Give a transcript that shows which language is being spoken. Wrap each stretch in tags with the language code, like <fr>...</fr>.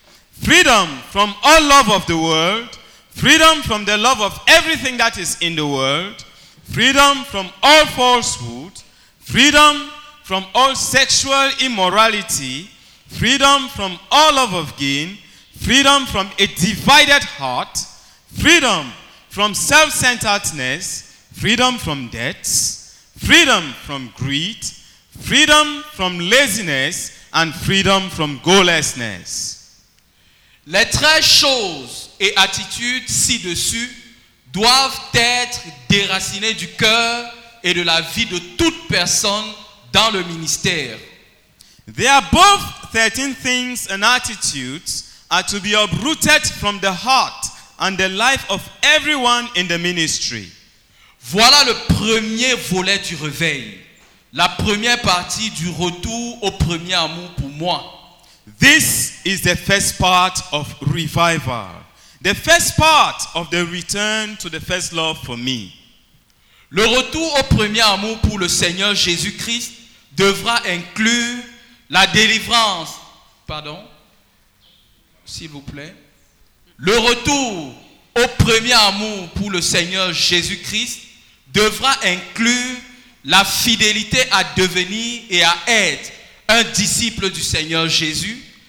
<en>freedom from all love of the world, freedom from the love of everything that is in the world, freedom from all falsehood, freedom from all sexual immorality, freedom from all love of gain, freedom from a divided heart, freedom from self-centeredness, freedom from debts, freedom from greed, freedom from laziness, and freedom from goallessness.</en> <fr>Les 13 choses et attitudes ci-dessus doivent être déracinées du cœur et de la vie de toute personne dans le ministère.</fr> <en>The above 13 things and attitudes are to be uprooted from the heart and the life of everyone in the ministry.</en> <fr>Voilà le premier volet du réveil, la première partie du retour au premier amour pour moi.</fr> <en>This is the first part of revival. The first part of the return to the first love for me.</en> <fr>Le retour au premier amour pour le Seigneur Jésus-Christ devra inclure la délivrance. Pardon? S'il vous plaît. Le retour au premier amour pour le Seigneur Jésus-Christ devra inclure la fidélité à devenir et à être un disciple du Seigneur Jésus.</fr>